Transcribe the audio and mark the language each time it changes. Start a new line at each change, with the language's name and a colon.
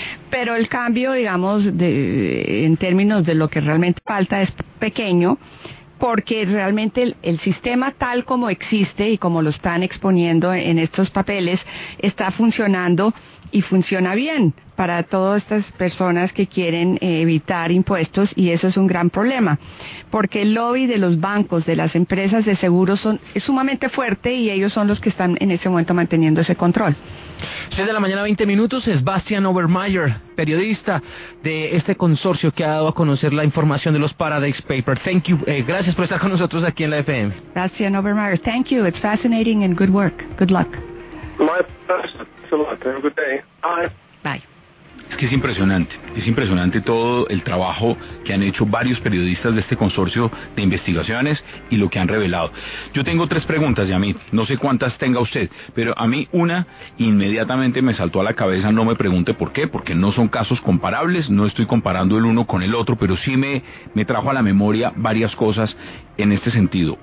Spanish: Pero el cambio, digamos, en términos de lo que realmente falta es pequeño, porque realmente el sistema tal como existe y como lo están exponiendo en estos papeles está funcionando y funciona bien para todas estas personas que quieren evitar impuestos, y eso es un gran problema porque el lobby de los bancos, de las empresas de seguros es sumamente fuerte y ellos son los que están en ese momento manteniendo ese control. 6 de la mañana, 20 minutos, Sebastian Obermeier, periodista de este consorcio que ha dado a conocer la información de los Paradise Papers.
English: Thank you,
Spanish: gracias por estar con nosotros aquí en la FM.
English: Sebastian Obermeier, thank you, it's fascinating and good work. Good luck. My pleasure, thanks a lot, have a good day. Bye.
Spanish: Es que es impresionante todo el trabajo que han hecho varios periodistas de este consorcio de investigaciones y lo que han revelado. Yo tengo 3 preguntas, Yamid, no sé cuántas tenga usted, pero a mí una inmediatamente me saltó a la cabeza, no me pregunte por qué, porque no son casos comparables, no estoy comparando el uno con el otro, pero sí me trajo a la memoria varias cosas en este sentido.